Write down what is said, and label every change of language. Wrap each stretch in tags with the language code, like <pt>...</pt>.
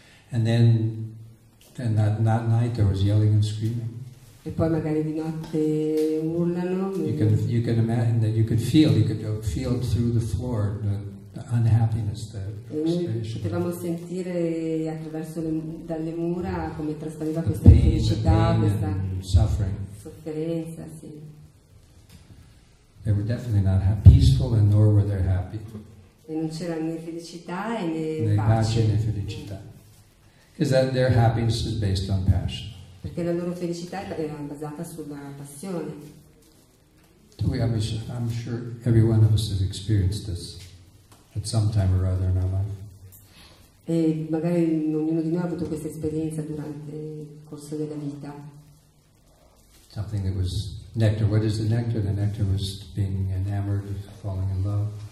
<en>And then that night there was yelling and screaming.</en> <it>E poi magari di notte urlano.</it> <en>You can imagine that you could feel through the floor the unhappiness, the frustration.</en> <it>Potevamo sentire attraverso dalle mura come traspariva questa felicità, questa sofferenza, sì.</it> <en>They were definitely not peaceful and nor were they happy.</en> <it>E non c'era né felicità né pace. Né felicità.</it> <en>Because their happiness is based on passion.</en> <it>Perché la loro felicità era basata sulla passione.</it> <en>I'm sure every one of us has experienced this. At some time or other in our life.</en> <it>E magari ognuno di noi ha avuto questa esperienza durante il corso della vita.</it> <en>Something that was nectar. What is the nectar? The nectar was being enamored, falling in love.</en>